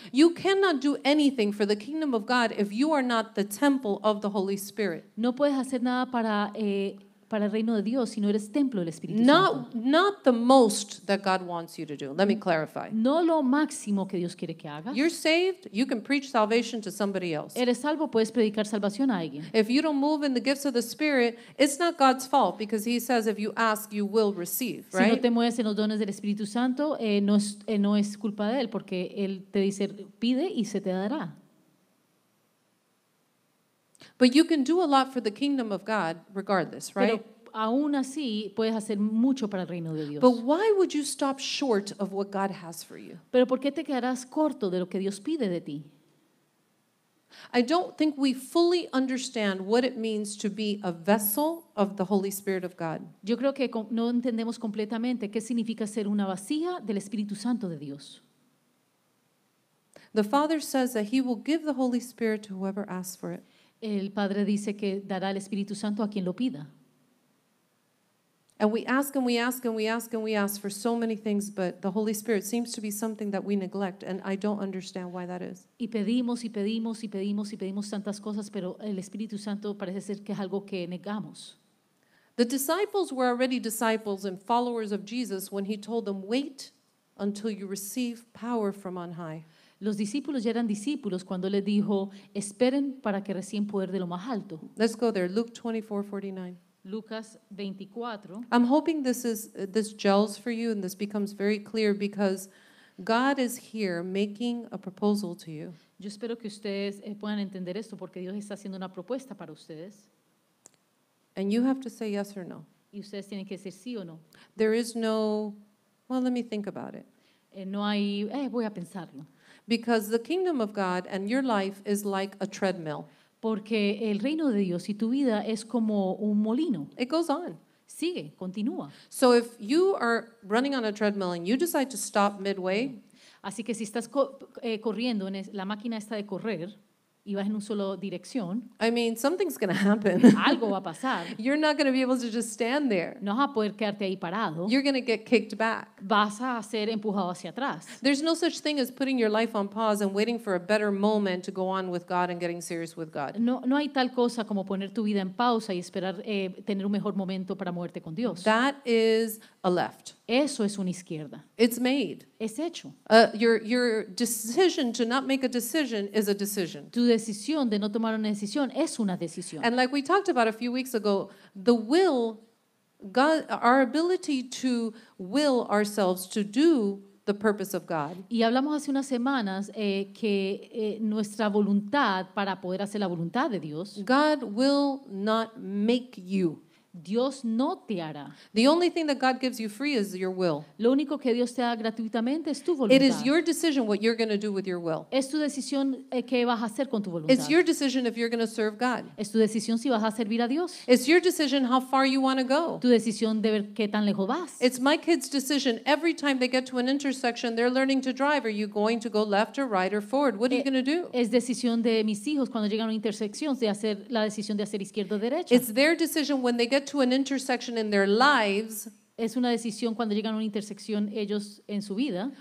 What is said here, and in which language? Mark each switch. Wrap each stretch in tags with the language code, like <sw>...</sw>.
<en>You cannot do anything for the kingdom of God if you are not the temple of the Holy Spirit.</en> <es>No puedes hacer nada para el reino de Dios si no eres templo del Espíritu Santo.</es> <en>Not the most that God wants you to do. Let me clarify.</en> <es>No lo máximo que Dios quiere que hagas.</es> <en>You're saved, you can preach salvation to somebody else.</en> <es>Eres salvo, puedes predicar salvación a alguien.</es> <en>If you don't move in the gifts of the Spirit, it's not God's fault because he says if you ask, you will receive, right?</en> <es>Si no te mueves en los dones del Espíritu Santo, no es culpa de él porque él te dice pide y se te dará.</es> <en>But you can do a lot for the kingdom of God regardless, right?</en> <es>Pero aún así puedes hacer mucho para el reino de Dios.</es> <en>But why would you stop short of what God has for you?</en> <es>Pero ¿por qué te quedarás corto de lo que Dios pide de ti?</es> <en>I don't think we fully understand what it means to be a vessel of the Holy Spirit of God.</en> <es>Yo creo que no entendemos completamente qué significa ser una vasija del Espíritu Santo de Dios.</es> <en>The Father says that he will give the Holy Spirit to whoever asks for it.</en> <es>El Padre dice que dará el Espíritu Santo a quien lo pida.</es> <en>And we ask and we ask and we ask and we ask for so many things, but the Holy Spirit seems to be something that we neglect, and I don't understand why that is.</en> <es>Y pedimos y pedimos y pedimos y pedimos tantas cosas, pero el Espíritu Santo parece ser que es algo que negamos.</es> <en>The disciples were already disciples and followers of Jesus when he told them, "Wait until you receive power from on high."</en> <es>Los discípulos ya eran discípulos cuando le dijo, esperen para que reciban poder de lo más alto.</es> <en>Let's go there, Luke 24:49.</en> <es>Lucas 24.</es> <en>I'm hoping this gels for you and this becomes very clear because God is here making a proposal to you.</en> <es>Yo espero que ustedes puedan entender esto porque Dios está haciendo una propuesta para ustedes.</es> <en>And you have to say yes or no.</en> <es>Y ustedes tienen que decir sí o no.</es> <en>There is no, well, let me think about it.</en> <es>No hay, voy a pensarlo.</es> <en>Because the kingdom of God and your life is like a treadmill.</en> <es>Porque el reino de Dios y tu vida es como un molino.</es> <en>It goes on.</en> <es>Sigue, continúa.</es> <en>So if you are running on a treadmill and you decide to stop midway.</en> <es>Así que si estás corriendo en la máquina esta de correr y vas en una sola dirección.</es> <en>I mean, something's going to happen.</en> <es>Algo va a pasar.</es> <en>You're not going to be able to just stand there.</en> <es>No vas a poder quedarte ahí parado.</es> <en>You're going to get kicked back.</en> <es>Vas a ser empujado hacia atrás.</es> <en>There's no such thing as putting your life on pause and waiting for a better moment to go on with God and getting serious with God.</en> <es>No hay tal cosa como poner tu vida en pausa y esperar tener un mejor momento para moverte con Dios.</es> <en>That is a left.</en> <es>Eso es una izquierda.</es> <en>It's made.</en> <es>Es hecho.</es> <en>Your decision to not make a decision is a decision.</en> <es>Tu decisión de no tomar una decisión es una decisión.</es> <en>And like we talked about a few weeks ago, the will, God, our ability to will ourselves to do the purpose of God.</en> <es>Y hablamos hace unas semanas nuestra voluntad para poder hacer la voluntad de Dios.</es> <en>God will not make you.</en> <es>Dios no te hará.</es> <en>The only thing that God gives you free is your will.</en> <es>Lo único que Dios te da gratuitamente es tu voluntad.</es> <en>It is your decision what you're going to do with your will.</en> <es>Es tu decisión qué vas a hacer con tu voluntad.</es> <en>It's your decision if you're going to serve God.</en> <es>Es tu decisión si vas a servir a Dios.</es> <en>It's your decision how far you want to go.</en> <es>Tu decisión de ver qué tan lejos vas.</es> <en>It's my kids' decision every time they get to an intersection they're learning to drive. Are you going to go left or right or forward? What are you going to do?</en> <es>Es decisión de mis hijos cuando llegan a una intersección de hacer la decisión de hacer izquierda o derecha.</es> <en>It's their decision when they get to an intersection in their lives.</en> <es>Es una decisión cuando llegan a una intersección ellos en su vida.</es>